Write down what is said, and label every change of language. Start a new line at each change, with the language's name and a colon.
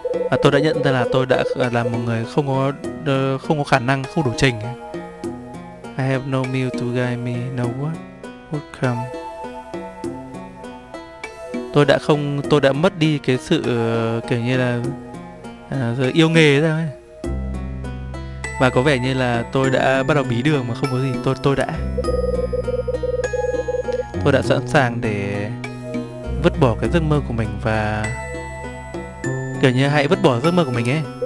Vietnamese: Và tôi đã nhận ra là tôi đã là một người không có khả năng, không đủ trình.
English: I have no muse to guide me, no one would come.
Vietnamese: Tôi đã mất đi cái sự kiểu như là yêu nghề ra ấy. Và có vẻ như là tôi đã bắt đầu bí đường mà không có gì. Tôi đã sẵn sàng để vứt bỏ cái giấc mơ của mình, và kiểu như hãy vứt bỏ giấc mơ của mình ấy.